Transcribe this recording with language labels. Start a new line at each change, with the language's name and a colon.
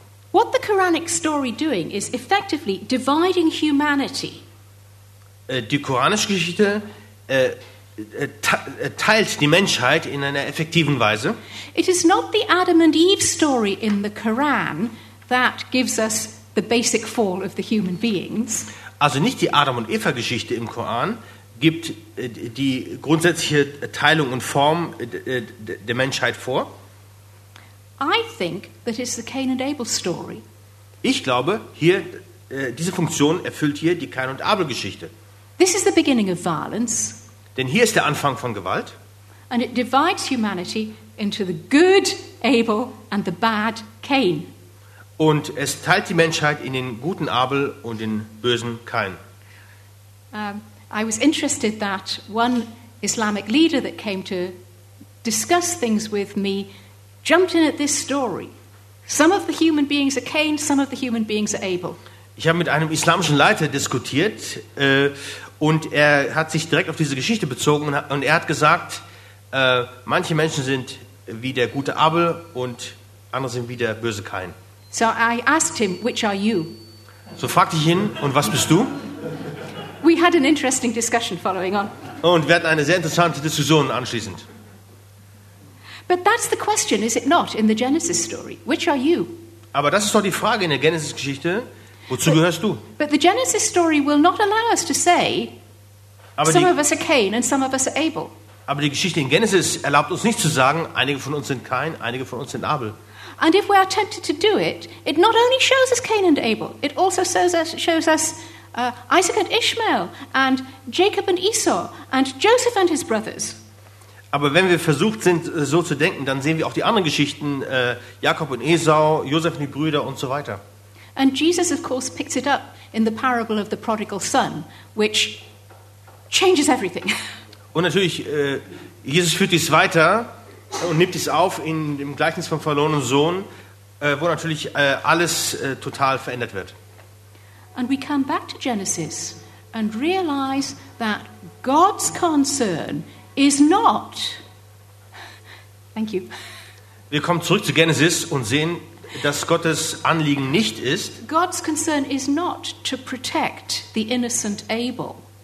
English: What the Quranic story doing is effectively dividing humanity.
German: Die koranische Geschichte teilt die Menschheit in einer effektiven Weise.
English: It is not the Adam and Eve story in the Quran that gives us the basic fall of the human beings.
German: Also nicht die Adam und Eva Geschichte im Koran gibt die grundsätzliche Teilung und Form der Menschheit vor.
English: I think that is the Cain and Abel story.
German: Ich glaube, hier diese Funktion erfüllt hier die Cain und Abel Geschichte.
English: This is the beginning of violence.
German: Denn hier ist der Anfang von Gewalt.
English: and it divides humanity into the good Abel and the bad Cain.
German: Und es teilt die Menschheit in den guten Abel und den bösen Kain.
English: I was interested that one Islamic leader that came to discuss things with me jumped in at this story. Some of the human beings are Cain, some of the human beings are Abel.
German: Ich habe mit einem islamischen Leiter diskutiert und er hat sich direkt auf diese Geschichte bezogen und er hat gesagt, manche Menschen sind wie der gute Abel und andere sind wie der böse Kain.
English: So I asked him, which are you?
German: So fragte ich ihn, und was bist du?
English: We had an interesting discussion following on.
German: Und wir hatten eine sehr interessante Diskussion anschließend.
English: But that's the question, is it not, in the Genesis story? Which are you?
German: Aber das ist doch die Frage in der Genesis-Geschichte. Wozu gehörst du?
English: But the Genesis story will not allow us to say, some of us are Cain and some of us are Abel.
German: Aber die Geschichte in Genesis erlaubt uns nicht zu sagen, einige von uns sind Cain, einige von uns sind Abel.
English: And if we are tempted to do it, it not only shows us Cain and Abel, it also shows us Isaac and Ishmael and Jacob and Esau and Joseph and his brothers.
German: Aber wenn wir versucht sind, so zu denken, dann sehen wir auch die anderen Geschichten, Jakob und Esau, Josef und die Brüder und so weiter.
English: And Jesus, of course, picks it up in the parable of the prodigal son, which changes everything.
German: Und natürlich, Jesus führt dies weiter und nimmt dies auf in dem Gleichnis vom verlorenen Sohn, wo natürlich alles total verändert wird.
English: And we come back to Genesis and realize that God's concern is not. Thank you.
German: Wir kommen zurück zu Genesis und sehen, dass Gottes Anliegen nicht ist.
English: God's concern is not to protect the innocent Abel.